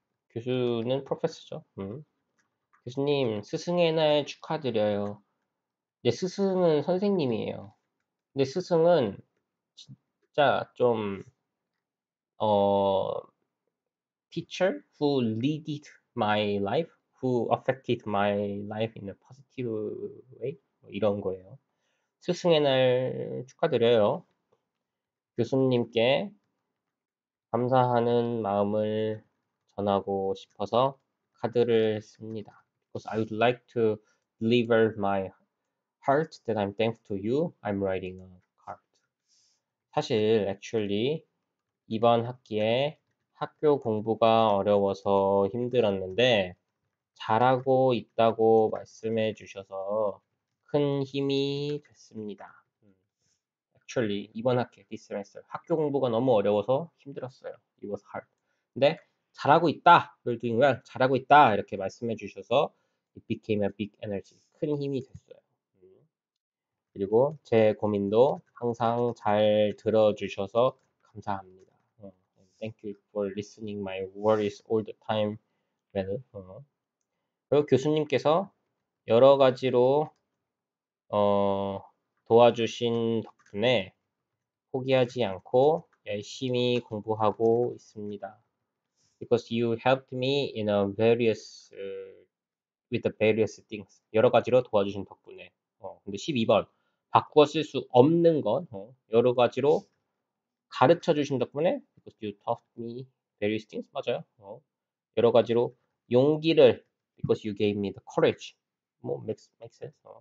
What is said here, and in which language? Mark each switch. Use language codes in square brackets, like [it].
[ko] 교수는 프로페서죠. 교수님, 스승의 날 축하드려요. 네, 스승은 선생님이에요. 근데 스승은 진짜 좀, [en] teacher who leaded my life, who affected my life in a positive way. [ko] 뭐 이런 거예요. 스승의 날 축하드려요. 교수님께 감사하는 마음을 전하고 싶어서 카드를 씁니다. [en] Because I would like to deliver my heart that I'm thankful to you, I'm writing a card. [ko] 사실, [en] actually, [ko] 이번 학기에 학교 공부가 어려워서 힘들었는데, 잘하고 있다고 말씀해 주셔서 큰 힘이 됐습니다. Actually, 이번 학기, [en] this semester, [ko] 학교 공부가 너무 어려워서 힘들었어요. [en] It was hard. [ko] 근데, 잘하고 있다! [en] You're doing well. [ko] 잘하고 있다! 이렇게 말씀해 주셔서, [en] it became a big energy. [ko] 큰 힘이 됐어요. 그리고 제 고민도 항상 잘 들어주셔서 감사합니다. [en] Thank you for listening my worries all the time. [ko] Well, 그리고 교수님께서 여러 가지로 도와주신 덕분에 포기하지 않고 열심히 공부하고 있습니다. [en] Because you helped me in a various with the various things. [ko] 여러 가지로 도와주신 덕분에. 근데 12번. 바꾸어 쓸수 없는 건 여러 가지로 가르쳐 주신 덕분에 [en] because you taught me various things. [ko] 맞아요. 여러 가지로 용기를 [en] because you gave me the courage. 뭐 makes sense.